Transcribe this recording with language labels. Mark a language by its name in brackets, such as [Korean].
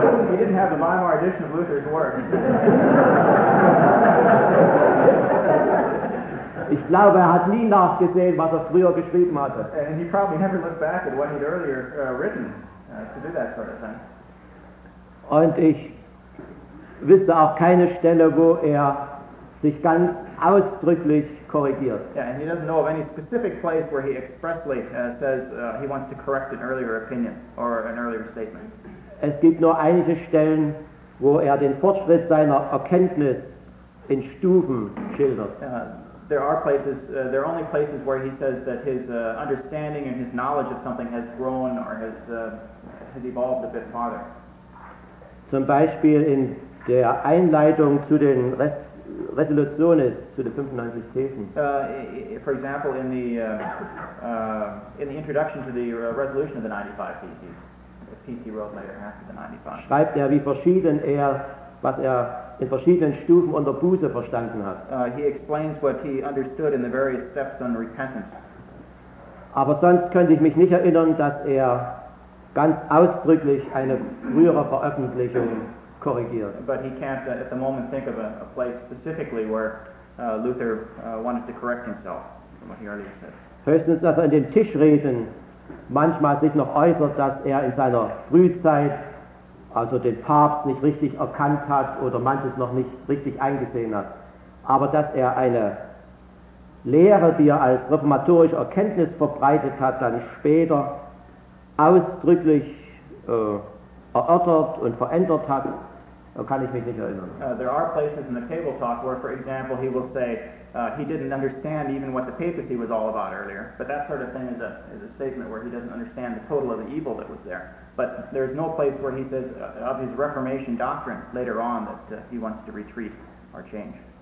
[English] He didn't have the Weimar edition of Luther's work. [German] Ich glaube, er hat nie nachgesehen, was er früher geschrieben hatte. [English] And he probably never looked back at what he'd earlier written to do that sort of thing. [German] Und ich wüsste auch keine Stelle, wo er sich ganz ausdrücklich korrigiert. [English] Yeah, and he doesn't know of any specific place where he expressly says he wants to correct an earlier opinion or an earlier statement. [German] Es gibt nur einige Stellen, wo er den Fortschritt seiner Erkenntnis in Stufen schildert. [English] There are only places where he says that his understanding and his knowledge of something has grown or has evolved a bit farther. [German] Zum Beispiel in der Einleitung zu den Resolutionen zu den 95 Thesen. [English] For example, in the introduction to the resolution of the 95 Theses, the PC wrote later after the 95. [German] Schreibt er, wie verschieden er, was er in verschiedenen Stufen unter Buße verstanden hat. [English] He explains what he understood in the various steps on repentance. [German] Aber sonst könnte ich mich nicht erinnern, dass er ganz ausdrücklich eine frühere Veröffentlichung korrigiert. [English] But he can't at the moment think of a place specifically where Luther wanted to correct himself from what he already said. [German] Höchstens, dass er in den Tischreden manchmal sich noch äußert, dass er in seiner Frühzeit also den Papst nicht richtig erkannt hat oder manches noch nicht richtig eingesehen hat. Aber dass er eine Lehre, die er als reformatorische Erkenntnis verbreitet hat, dann später ausdrücklich erörtert und verändert hat, da kann ich mich nicht erinnern. [English] There are places in the table talk where, for example, he will say he didn't understand even what the papacy was all about earlier, but that sort of thing is a statement where he doesn't understand the total of the evil that was there. But there's no place where he says of his Reformation doctrine later on that he wants to retreat or change.